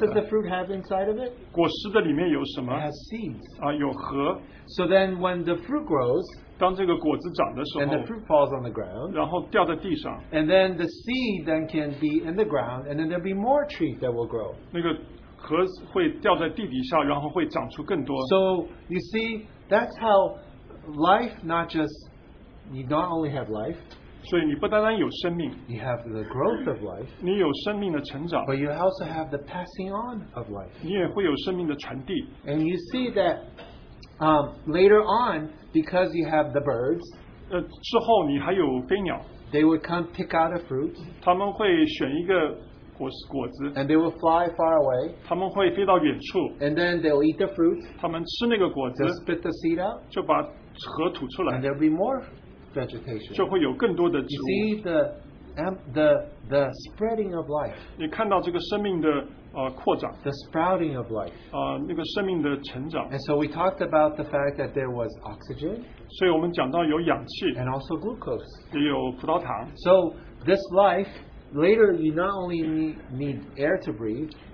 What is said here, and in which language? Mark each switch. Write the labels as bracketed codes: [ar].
[en] What does the fruit have inside of it? [zh] 果实的里面有什么? [en] It has seeds. [zh] 啊, 有核. [en] So then when the fruit grows, [zh] 当这个果子长的时候, [en] and the fruit falls on the ground, [zh] 然后掉在地上, [en] and then the seed then can be in the ground, and then there'll be more trees that will grow. [zh] 那个核会掉在地底下, 然后会长出更多. [en] So you see, that's how life, not just, you not only have life, [zh] 所以你不单单有生命, [en] you have the growth of life, [zh] 你有生命的成长, [en] but you also have the passing on of life. [zh] 你也会有生命的传递, [en] and you see that later on, because you have the birds, [zh] 之后你还有飞鸟, [en] they would come pick out a fruit, [zh] 他们会选一个果子, [en] and they will fly far away, [zh] 他们会飞到远处, [en] and then they'll eat the fruit, [zh] 他们吃那个果子, [en] they'll spit the seed out, [zh] 就把, [en] and there'll be more vegetation. [zh] 就会有更多的植物。 [en] You see the spreading of life. [zh] 你看到这个生命的, 扩展, [en] the sprouting of life. [zh] 那个生命的成长。 [en] And so we talked about the fact that there was oxygen. [zh] 所以我们讲到有氧气, [en] and also glucose. [zh] 也有葡萄糖。 [en] So this life, later you not only need air to breathe,